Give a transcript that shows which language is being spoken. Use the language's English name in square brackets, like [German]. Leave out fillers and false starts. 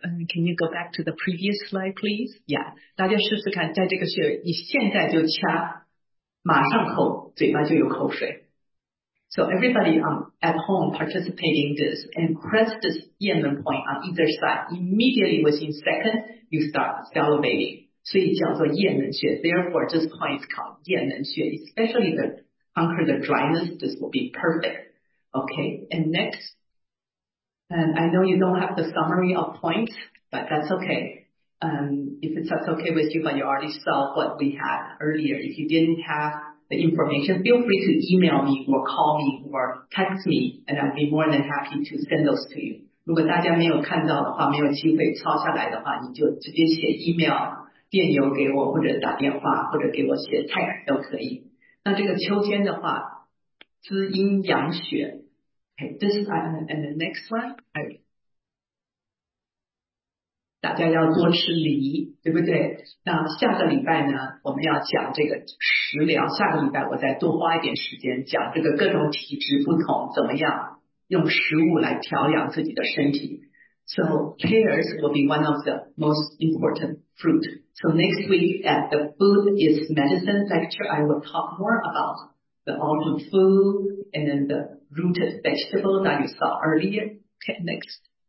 [English] Can you go back to the previous slide, please? Yeah, [Chinese] 大家试试看，在这个穴位，你现在就掐，马上口嘴巴就有口水。 [English] So everybody at home participating this and press this 液门 point on either side. Immediately within seconds, you start salivating. [Chinese] 所以叫做液门穴。 [English] Therefore, this point is called 液门穴. Especially the conquer the dryness, this will be perfect. Okay, and next. And I know you don't have the summary of points, but that's okay. If it's that's okay with you, but you already saw what we had earlier. If you didn't have... the information, feel free to email me or call me or text me and I'll be more than happy to send those to you. [Chinese] 如果大家没有看到的话，没有机会抄下来的话，你就直接写 email 电邮给我，或者打电话，或者给我写 text 都可以。那这个秋天的话，滋阴养血。 [English] Okay, this and the next one. [Chinese] 大家要多吃梨，对不对？那下个礼拜呢，我们要讲这个食疗，下个礼拜我再多花一点时间讲这个各种体质不同，怎么样用食物来调养自己的身体。 [English] So pears will be one of the most important fruit. So next week at the Food is Medicine lecture, I will talk more about the autumn food and then the rooted vegetable that you saw earlier. Okay, next.